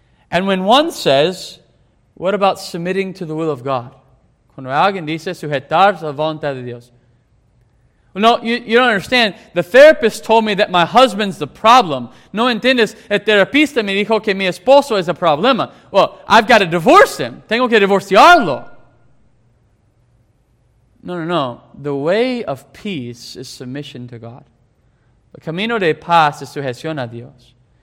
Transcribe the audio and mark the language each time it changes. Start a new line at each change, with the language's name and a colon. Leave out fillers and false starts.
English: And when one says, what about submitting to the will of God?
Spanish: Cuando alguien dice sujetarse a la voluntad de Dios.
English: Well, no, you don't understand. The therapist told me that my husband's the problem.
Spanish: No entiendes. El terapista me dijo que mi esposo es el problema.
English: Well, I've got to divorce him.
Spanish: Tengo que divorciarlo.
English: No. The way of peace is submission to God.
Spanish: El camino de paz es sujeción a Dios.